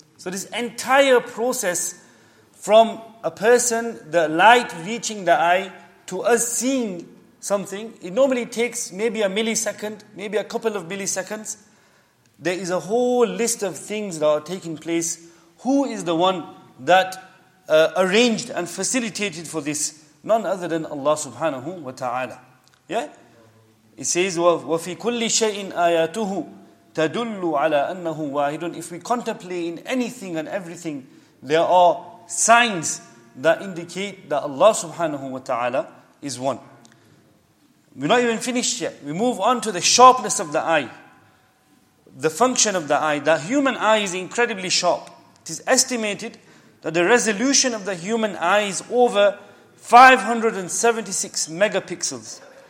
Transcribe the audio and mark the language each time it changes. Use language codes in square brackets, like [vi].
[en] So this entire process from a person, the light reaching the eye, to us seeing something, it normally takes maybe a millisecond, maybe a couple of milliseconds. There is a whole list of things that are taking place. Who is the one that arranged and facilitated for this? None other than Allah subhanahu wa ta'ala. Yeah? It says, [ar] وَفِي كُلِّ شَيْءٍ آيَاتُهُ تَدُلُّ عَلَىٰ أَنَّهُ وَاحِدٌ. [en] If we contemplate in anything and everything, there are signs that indicate that Allah subhanahu wa ta'ala is one. We're not even finished yet. We move on to the sharpness of the eye, the function of the eye. The human eye is incredibly sharp. It is estimated that the resolution of the human eye is over 576 megapixels.